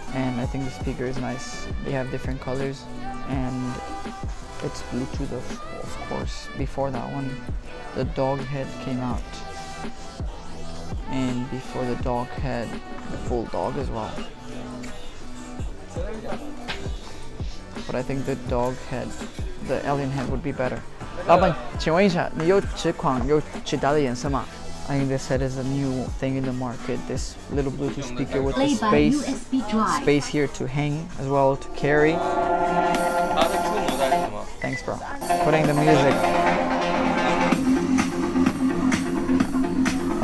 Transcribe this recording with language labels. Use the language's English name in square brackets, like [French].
[English] And I think the speaker is nice. They have different colors and it's Bluetooth of course. Before that one, the dog head came out. And before the dog had the full dog as well. But I think the dog head, the alien head would be better. [Chinese] 老板，请问一下，你有几款有其他的颜色吗？ [English] I think this head is a new thing in the market. This little Bluetooth speaker with the space here to hang as well to carry. Thanks, bro. Putting the music.